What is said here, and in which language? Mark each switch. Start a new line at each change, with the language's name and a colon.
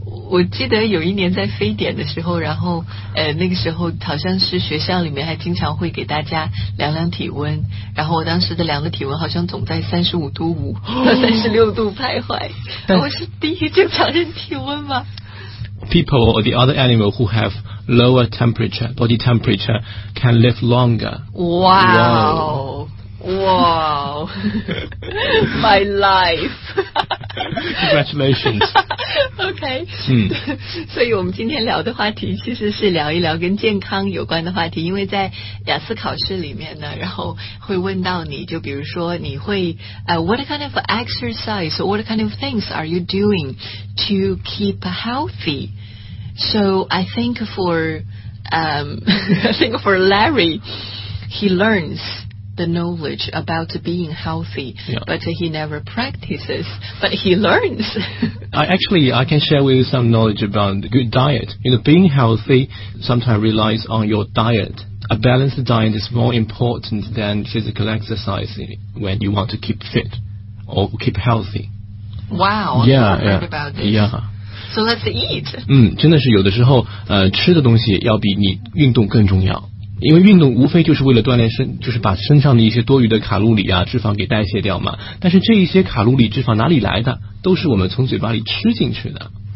Chinese: 我记得有一年在非典的时候，然后那个时候好像是学校里面还经常会给大家量量体温，然后我当时的量的体温好像总在35.5到36度徘徊。我是第一正常人体温吗？
English: People or the other animal who have lower temperature, body temperature, can live longer. Wow. Wow. My life. Congratulations.
Chinese: OK, 所以我们今天聊的话题其实是聊一聊跟健康有关的话题，因为在雅思考试里面呢，然后会问到你，就比如说你会
English: what kind of exercise, what kind of things are you doing to keep healthy? So I think for Larry, he learns the knowledge about being healthy, but he never practices, but he learns. I can share with you some knowledge about good diet. You know, being healthy sometimes relies on your diet. A balanced diet is more important than physical exercise when you want to keep fit or keep healthy. Wow, yeah, I've never heard about this. Yeah. So let's eat.
Chinese: 真的是有的时候吃的东西要比你运动更重要。因为运动无非就是为了锻炼身，就是把身上的一些多余的卡路里啊、脂肪给代谢掉嘛。但是这一些卡路里、脂肪哪里来的？都是我们从嘴巴里吃进去的。